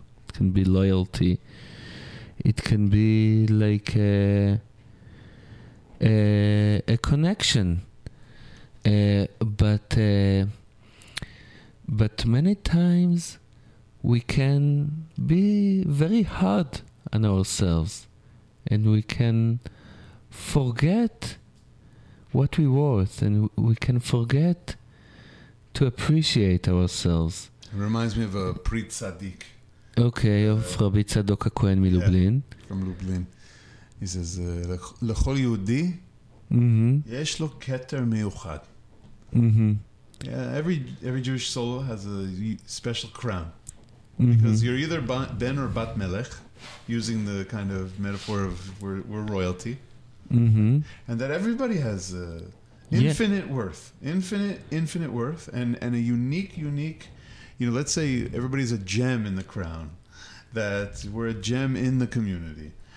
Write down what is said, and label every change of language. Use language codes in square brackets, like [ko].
[en] It can be loyalty. It can be like a connection, but many times we can be very hard on ourselves, and we can forget what we worth, and we can forget to appreciate ourselves. It reminds me of a pre-tzaddik. Okay, of Rabbi Tzadok HaKohen מלובלין. From Lublin. He says, [he] לכל יהודי יש לו כתר מיוחד. [en] Every Jewish soul has a special crown. Because you're either Ben or Bat Melech, using the kind of metaphor of we're royalty. And that everybody has infinite worth, and a unique, you know, let's say everybody's a gem in the crown, that we're a gem in the community.